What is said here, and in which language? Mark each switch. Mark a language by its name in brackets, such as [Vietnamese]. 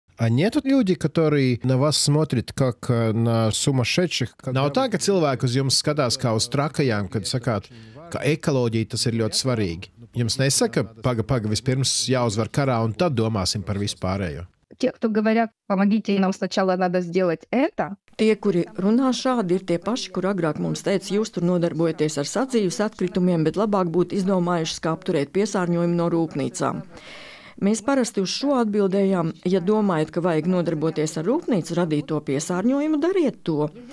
[Russian] Нету люди, которые на вас смотрят как на сумасшедших. [Latvian] Nav tā, ka cilvēki uz jums skatās kā uz trakajām, kad sakāt, ka ekoloģija tas ir ļoti svarīgi. Jums nesaka, paga, vispirms jāuzvar karā un tad domāsim par vispārējo. Tie, kuri [Russian] говоря, помогите нам сначала надо сделать это. [Latvian] Tie, kuri runā šādi, ir tie paši, kur agrāk mums teica, jūs tur nodarbojaties ar sadzīves atkritumiem, bet labāk būtu izdomājušas, kā apturēt piesārņojumu no rūpnīcām. Mēs parasti uz šo atbildējām, ja domājat, ka vajag nodarboties ar rūpnīcu radīto piesārņojumu, dariet to.